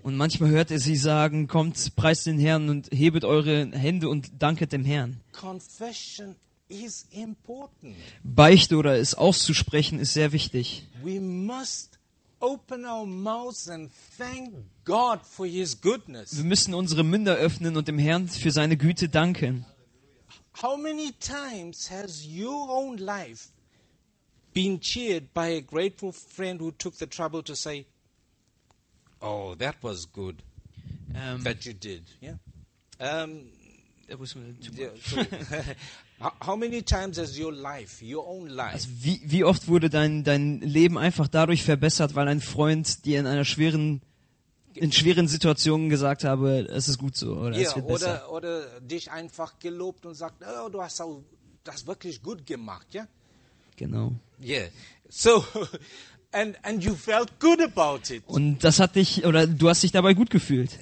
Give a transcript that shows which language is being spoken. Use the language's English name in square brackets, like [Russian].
[German] Und manchmal hört ihr sie sagen, kommt, preist den Herrn und hebet eure Hände und danket dem Herrn. [English] Confession is important. [German] Beichte oder es auszusprechen ist sehr wichtig. [English] We must open our mouths and thank God for His goodness. [German] Wir müssen unsere Münder öffnen und dem Herrn für seine Güte danken. [English] How many times has your own life been cheered by a grateful friend who took the trouble to say, "Oh, that was good that you did." Yeah. That was too much. How many times has your life, your own life? [German] Also wie oft wurde dein Leben einfach dadurch verbessert, weil ein Freund dir in einer schweren Situationen gesagt habe, es ist gut so oder yeah, es wird besser. Oder dich einfach gelobt und sagt, oh, du hast auch das wirklich gut gemacht, ja? Genau. [English] Yeah. So and you felt good about it. [German] Und das hat dich oder du hast dich dabei gut gefühlt.